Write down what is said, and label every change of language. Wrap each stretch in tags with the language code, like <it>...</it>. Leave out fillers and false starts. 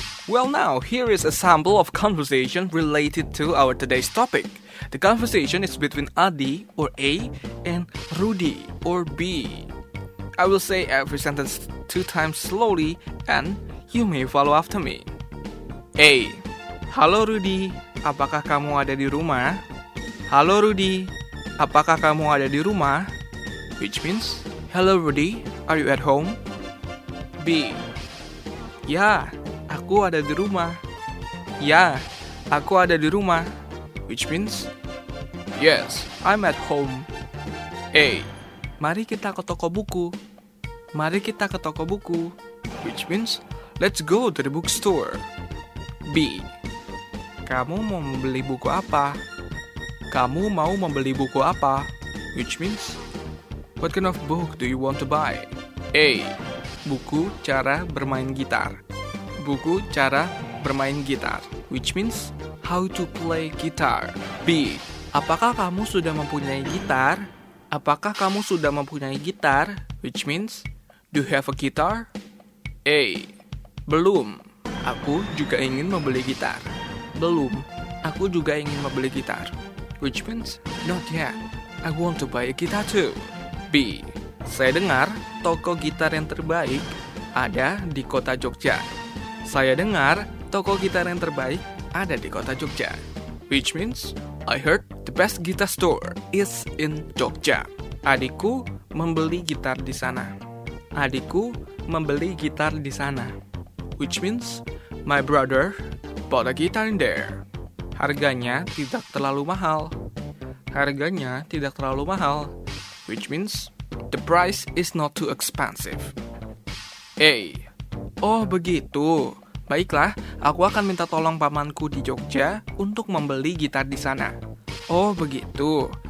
<en>Well, now, here is a sample of conversation related to our today's topic. The conversation is between Adi, or A, and Rudy, or B. I will say every sentence 2 times slowly, and you may follow after me. A.</en> <id>Halo Rudy, apakah kamu ada di rumah? Halo Rudy, apakah kamu ada di rumah?</id> <en>Which means, hello Rudy, are you at home? B.</en> <id>Ya, aku ada di rumah. Ya, aku ada di rumah.</id> <en>Which means, yes, I'm at home. A.</en> <id>Mari kita ke toko buku. Mari kita ke toko buku.</id> <en>Which means, let's go to the bookstore. B.</en> <id>Kamu mau membeli buku apa? Kamu mau membeli buku apa?</id> <en>Which means, what kind of book do you want to buy? A.</en> <id>Buku cara bermain gitar. Buku cara bermain gitar,</id> <en>which means how to play guitar. B.</en> <id>Apakah kamu sudah mempunyai gitar? Apakah kamu sudah mempunyai gitar,</id> <en>which means do you have a guitar? A.</en> <id>Belum. Aku juga ingin membeli gitar. Belum. Aku juga ingin membeli gitar,</id> <en>which means not yet. I want to buy a guitar too. B.</en> <id>Saya dengar toko gitar yang terbaik ada di kota Jogja. Saya dengar toko gitar yang terbaik ada di kota Jogja,</id> <en>which means I heard the best guitar store is in Jogja.</en> <id>Adikku membeli gitar di sana. Adikku membeli gitar di sana,</id> <en>which means my brother bought a guitar in there.</en> <id>Harganya tidak terlalu mahal. Harganya tidak terlalu mahal,</id> <en>which means the price is not too expensive.</en> <id>A. Oh begitu. Baiklah, aku akan minta tolong pamanku di Jogja untuk membeli gitar di sana. Oh begitu.</id>